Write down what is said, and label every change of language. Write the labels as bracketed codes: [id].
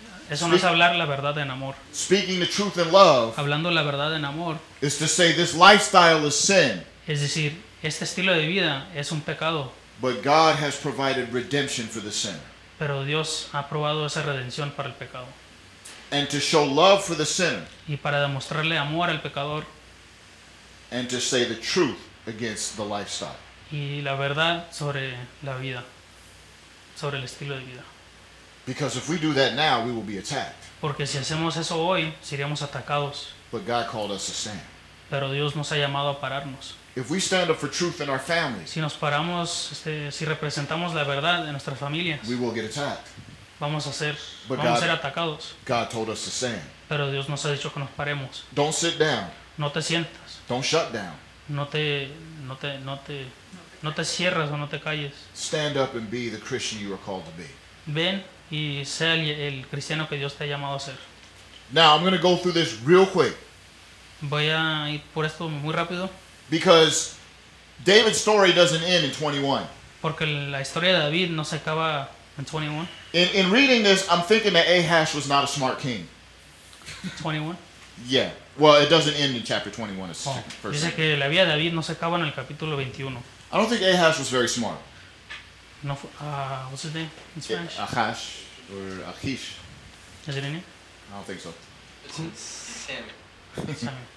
[es] Eso no es hablar la verdad en amor. [en] Speaking the truth in love. [es] Hablando la verdad en amor. [en] Is to say this lifestyle is sin. [es] Es decir, este estilo de vida es un pecado. [en] But God has provided redemption for the sin. [es] Pero Dios ha probado esa redención para el pecado. [en] And to show love for the sinner. [es] Y para demostrarle amor al pecador. [en] And to say the truth against the lifestyle. [es] Y la verdad sobre la vida. Sobre el estilo de vida. [en] Because if we do that now, we will be attacked. [es] Porque si hacemos eso hoy, seríamos atacados. [en] But God called us to stand. [es] Pero Dios nos ha llamado a pararnos. [en] If we stand up for truth in our families, [es] si nos paramos, si representamos la verdad en nuestras familias, [en] we will get attacked. [es] Vamos a ser, but vamos God, a ser atacados. [en] God told us to stand. [es] Pero Dios nos ha dicho que nos paremos. [en] Don't sit down. [es] No te sientas. [en] Don't shut down. [es] No te cierres o no te calles. [en] Stand up and be the Christian you are called to be. [es] Ven y sé el cristiano que Dios te ha llamado a ser. [en] Now I'm going to go through this real quick. [es] Voy a ir por esto muy rápido. [en] Because David's story doesn't end in 21. [es] Porque la historia de David no se acaba en 21. [en] In reading this, I'm thinking that Ahash was not a smart king. 21? Yeah. Well, it doesn't end in chapter 21. It's first. [es] Dice que la vida de David no se acaba en el capítulo 21. [en] I don't think Ahash was very smart. No, what's his name in Spanish? Ahash or Achish. Is it in here? I don't think so. It's in Sam.